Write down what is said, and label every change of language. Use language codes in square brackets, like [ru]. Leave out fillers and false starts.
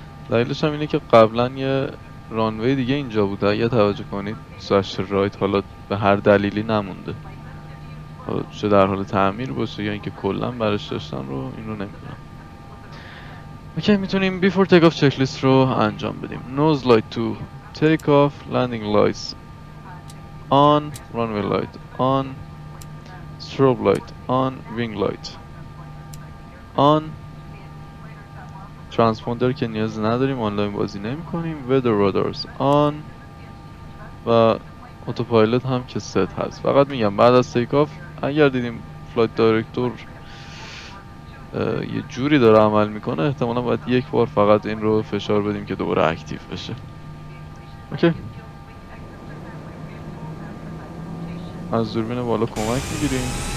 [fa] دلیلش هم اینه که قبلا یه رانوی دیگه اینجا بوده. اگه توجه کنید 28 رایت حالا به هر دلیلی نمونده. حالا چه در حال تعمیر باشه یا اینکه کلا برش داشتن رو اینو نمیدونم. اوکی میتونیم before take off checklist رو انجام بدیم. [en] Nose light to take off, landing lights on, runway light on, strobe light on, wing light on, transponder [fa] که نیاز نداریم آنلاین بازی نمی کنیم. [en] Weather radars on و autopilot هم که set هست. [fa] فقط میگم بعد از take off اگر دیدیم flight director یه جوری داره عمل میکنه احتمالا باید یک بار فقط این رو فشار بدیم که دوباره اکتیف بشه. اوکی از دوربین بالا کمک میگیریم.